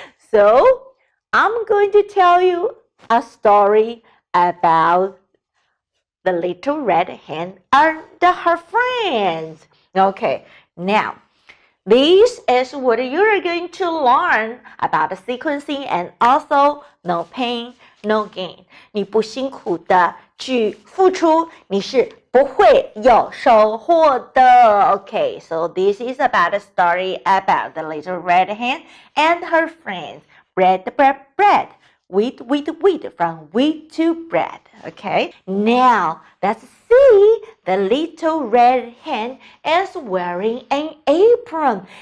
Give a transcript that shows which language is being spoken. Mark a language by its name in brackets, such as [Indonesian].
[English] So, I'm going to tell you a story about the little red hen and her friends. Okay, now, this is what you're going to learn about the sequencing and also no pain, no gain. [Chinese] 你不辛苦的去付出，你是不会有收获的。 [English] Okay, so this is about a story about the little red hen and her friends. Bread, bread, bread. Wheat, wheat, wheat. From wheat to bread. Okay. Now, let's see. The little red hen is wearing an apron.